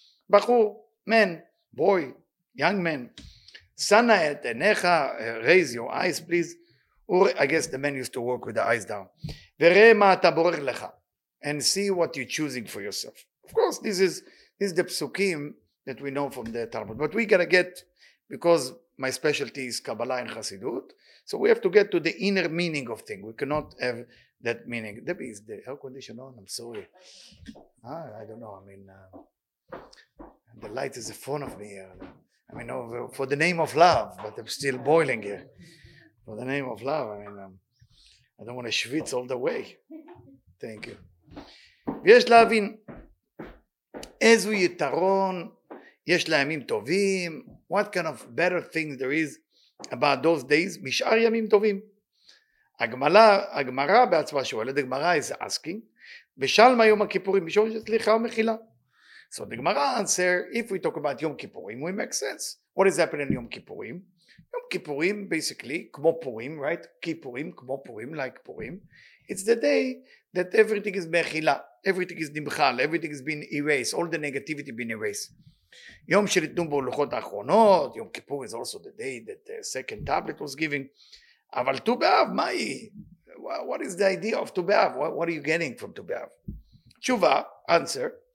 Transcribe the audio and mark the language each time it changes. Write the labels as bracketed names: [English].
[English] בחור, man, boy, young man, [Hebrew] שנה את עיניך, [English] raise your eyes, please. Or I guess the man used to walk with the eyes down. [Hebrew] וראה מה אתה בורר לך, [English] and see what you're choosing for yourself. Of course, this is the psukim that we know from the Talmud. But we got to get, because my specialty is Kabbalah and Hasidut, so we have to get to the inner meaning of things. We cannot have that meaning. Debbie, is the air conditioner on? I'm sorry. I don't know. I mean, the light is in front of me here. I mean, for the name of love, but I'm still boiling here. For the name of love, I mean, I don't want to schwitz all the way. Thank you. Yes, Lavin. [Hebrew] איזו יתרון יש לימים טובים, [English] what kind of better things there is about those days, [Hebrew] משאר ימים טובים. הגמרא בעצמה שואלת, הגמרא [English] is asking, [Hebrew] בשלמה יום הכיפורים, משום שסליחה ומחילה. [English] So the Gemara answer, if we talk about יום כיפורים, we make sense. What is happening in יום כיפורים? יום כיפורים, basically, כמו פורים, right? [Hebrew] כיפורים, כמו פורים, like פורים. [English] It's the day that everything is מחילה. Everything is nimchal, everything has been erased, all the negativity been erased. [Hebrew] Yom shenitnu bo luchot achronot, [English] Yom Kippur is also the day that the second tablet was given. [Hebrew] Aval Tu B'Av, mai? [English] What is the idea of Tu B'Av? What are you getting from Tu B'Av? Tshuva, answer.